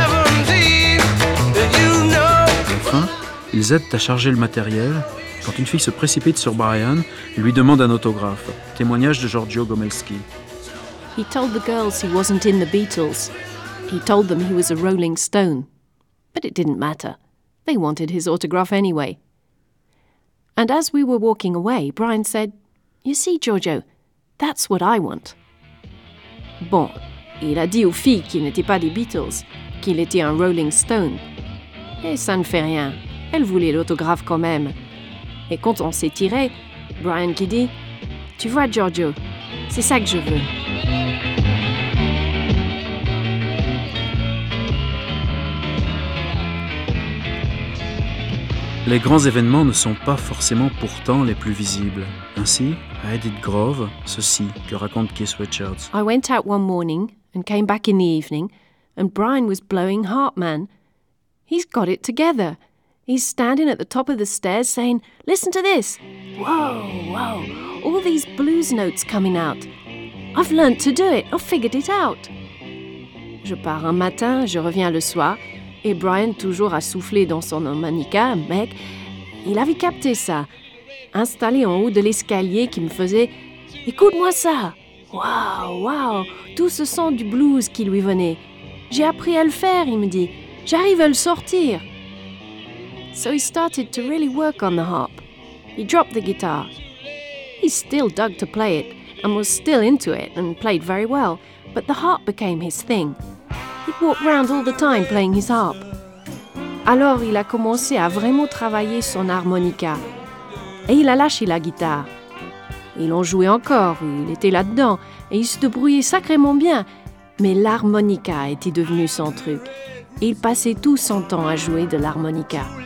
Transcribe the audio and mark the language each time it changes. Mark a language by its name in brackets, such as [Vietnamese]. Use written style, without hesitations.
[French] Enfin, ils aident à charger le matériel quand une fille se précipite sur Brian et lui demande un autographe, témoignage de Giorgio Gomelski. [English] He told the girls he wasn't in the Beatles. He told them he was a Rolling Stone. But it didn't matter. They wanted his autograph anyway. And as we were walking away, Brian said, "You see, Giorgio, that's what I want." [French] Bon, il a dit aux filles qu'il n'était pas des Beatles, qu'il était un Rolling Stone. Et ça ne fait rien. Elles voulaient l'autographe quand même. Et quand on s'est tiré, Brian qui dit, "Tu vois, Giorgio, c'est ça que je veux." Les grands événements ne sont pas forcément pourtant les plus visibles. Ainsi, à Edith Grove, ceci que raconte Keith Richards. [English] I went out one morning and came back in the evening and Brian was blowing Heartman. He's got it together. He's standing at the top of the stairs saying, "Listen to this. Whoa, whoa. All these blues notes coming out. I've learnt to do it. I've figured it out." [French] Je pars un matin, je reviens le soir. Et Brian, toujours à souffler dans son harmonica, mec, il avait capté ça. Installé en haut de l'escalier qui me faisait « Écoute-moi ça !» Waouh, waouh, tout ce son du blues qui lui venait. « J'ai appris à le faire, » il me dit. « J'arrive à le sortir !» [English] So he started to really work on the harp. He dropped the guitar. He still dug to play it, and was still into it, and played very well. But the harp became his thing. He'd walk round all the time playing his harp. [French] Alors il a commencé à vraiment travailler son harmonica. Et il a lâché la guitare. Il en jouait encore, il était là-dedans, et il se débrouillait sacrément bien. Mais l'harmonica était devenu son truc. Et il passait tout son temps à jouer de l'harmonica.